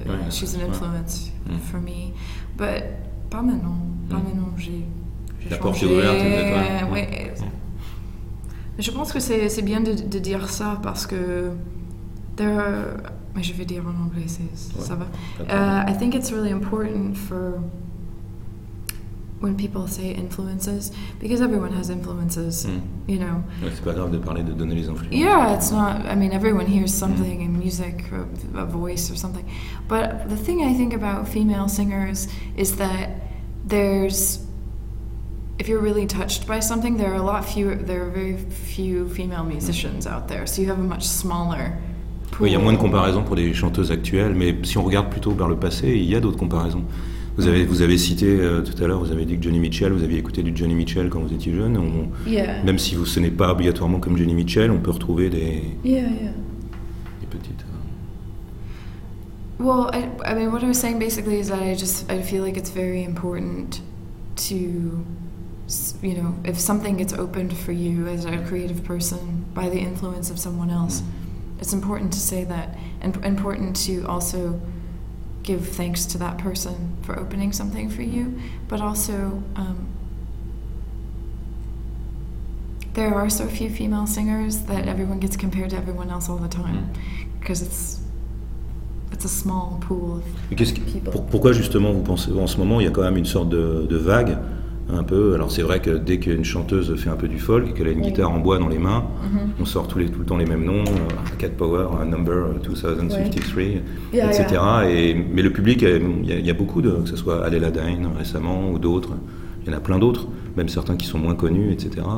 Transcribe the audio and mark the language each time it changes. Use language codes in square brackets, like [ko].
[en] She's an influence for me, but [fr] pas maintenant. Pas maintenant, la porte est ouverte. Ouais. Je pense que c'est bien de dire ça parce que mais je vais dire en anglais, ça va. [en] I think it's really important for when people say influences, because everyone has influences, you know. [fr] Ouais, c'est pas grave de parler de donner les influences. [en] Yeah, it's not. I mean, everyone hears something in music, a voice or something. But the thing I think about female singers is that there's, if you're really touched by something, there are very few female musicians out there. So you have a much smaller pool. [fr] Oui, il y a moins de comparaisons pour les chanteuses actuelles, mais si on regarde plutôt vers le passé, il y a d'autres comparaisons. Vous avez cité tout à l'heure, vous avez dit que Joni Mitchell, vous aviez écouté du Joni Mitchell quand vous étiez jeune. Même si ce n'est pas obligatoirement comme Joni Mitchell, on peut retrouver des... Des petites... [en] What I was saying basically is that I feel like it's very important to... You know, if something gets opened for you as a creative person by the influence of someone else, it's important to say that, and important to also give thanks to that person for opening something for you. But also, there are so few female singers that everyone gets compared to everyone else all the time, because it's a small pool of people. [fr] Pourquoi justement vous pensez en ce moment il y a quand même une sorte de vague? Un peu. Alors c'est vrai que dès qu'une chanteuse fait un peu du folk et qu'elle a une guitare en bois dans les mains, on sort tout le temps les mêmes noms, Cat Power, Number 2053, etc. Mais le public, il y a beaucoup de, que ce soit Adela Dane récemment ou d'autres, il y en a plein d'autres, même certains qui sont moins connus, etc.